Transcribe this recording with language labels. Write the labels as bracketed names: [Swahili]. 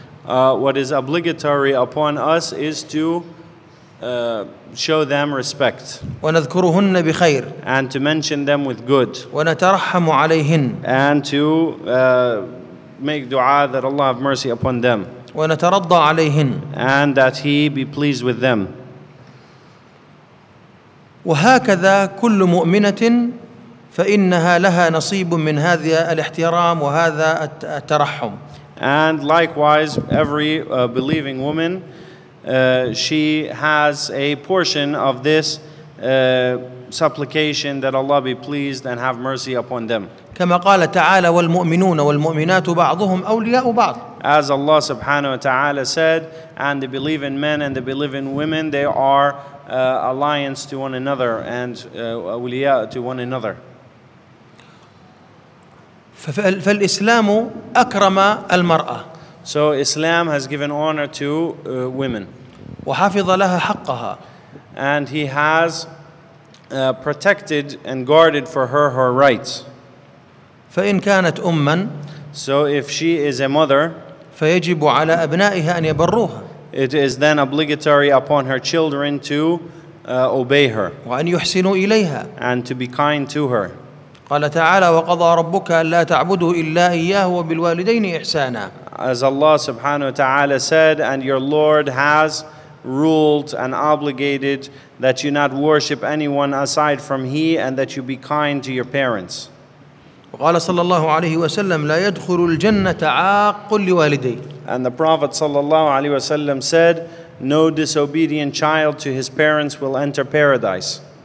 [English] What is obligatory upon us is to show them respect. [Arabic] ونذكرهن بخير. [English] And to mention them with good. [Arabic] ونترحم عليهن. [English] And to make dua that Allah have mercy upon them. [Arabic] ونترضى عليهن. [English] And that He be pleased with them. [Arabic] وهكذا كل مؤمنة فإنها لها نصيب من هذا الاحترام وهذا الترحم. [English] And likewise, every believing woman, she has a portion of this supplication that Allah be pleased and have mercy upon them. [Arabic] كما قال تعالى والمؤمنون والمؤمنات بعضهم أولياء بعض. [English] As Allah subhanahu wa ta'ala said, and the believing men and the believing women, they are alliance to one another and أولياء to one another. [Arabic] فالإسلام أكرم المرأة. [English] So Islam has given honor to women. [Arabic] وحافظ لها حقها. [English] And he has protected and guarded for her her rights. [Arabic] فإن كانت أما. [English] So if she is a mother. [Arabic] فيجب على أبنائها أن يبروها. [English] It is then obligatory upon her children to obey her. [Arabic] وأن يحسنوا إليها. [English] And to be kind to her. [Arabic] قال تعالى وقضى ربك ألا تعبدوا إلا إياه وبالوالدين إحسانا. [English] As Allah subhanahu wa ta'ala said, and your Lord has ruled and obligated that you not worship anyone aside from He and that you be kind to your parents. [Arabic] وقال صلى الله عليه وسلم لا يدخل الجنة عاق لوالدي. [English] And the Prophet [Arabic] صلى الله عليه وسلم [English] said, no disobedient child to his parents will enter paradise.